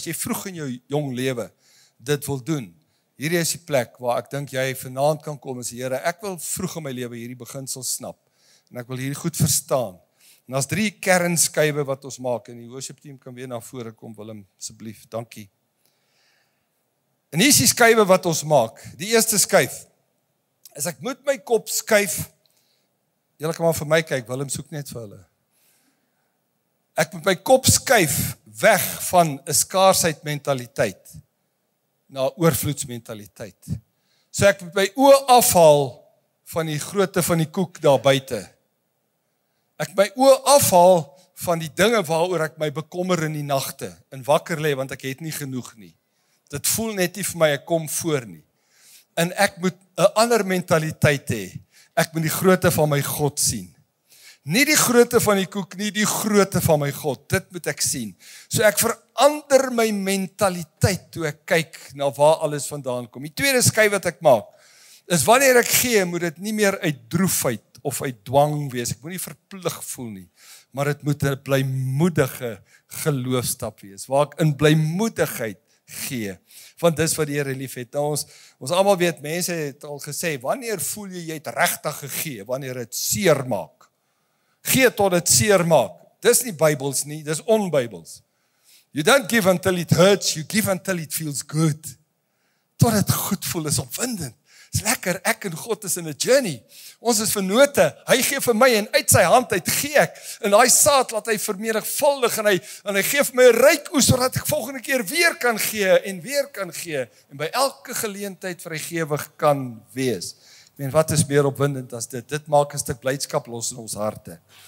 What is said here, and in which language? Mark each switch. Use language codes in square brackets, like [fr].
[af] As jy vroeg in jou jong lewe dit wil doen, hierdie is die plek waar ek dink jy vanaand kan kom en sê, Here, ek wil vroeg in my lewe hierdie beginsel snap. En ek wil hierdie goed verstaan. En daar's 3 kernskuive wat ons maak. En die worship team kan weer na vore kom, Willem, asseblief. Dankie. En hier is die skuive wat ons maak. Die eerste skuif is ek moet my kop skuif. Julle kan maar vir my kyk, Willem soek net vir hulle. Ek moet my kop skuif weg van 'n skaarsheidmentaliteit na oorvloedsmentaliteit. So ek moet my oë afhaal van die grootte van die koek daar buite. Ek my oë afhaal van die dinge waaroor ek my bekommer in die nagte en wakker lê want ek het nie genoeg nie. Dit voel net nie vir my ek kom voor nie. En ek moet 'n ander mentaliteit hê. Ek moet die grootte van my God sien. Nie die grootte van die koek nie, die grootte van my God. Dit moet ek sien. So ek verander my mentaliteit toe ek kyk na waar alles vandaan kom. Die tweede skui wat ek maak is wanneer ek gee, moet dit nie meer uit droefheid of uit dwang wees. Ek moet nie verplig voel nie, maar dit moet 'n blymoedige geloofstap wees waar ek in blymoedigheid gee. Want dis wat die Here liefhet. Nou ons almal weet, mense het al gesê, wanneer voel jy het regtig gegee? Wanneer dit seer maak. Gee tot dit seer maak. Dis nie Bybels nie, dis onbybels. [en] You don't give until it hurts, you give until it feels good. [af] Tot dit goed voel is opwindend. Dis lekker, ek en God is in 'n journey. Ons is vennote, hy gee vir my en uit sy hand uit gee ek. En daai saad laat hy vermenigvuldig en hy gee vir my 'n ryk oes sodat ek volgende keer weer kan gee en weer kan gee en by elke geleentheid vrygewig kan wees. Ek meen, wat is meer opwindend as dit? Dit maak 'n stuk blydskap los in ons harte.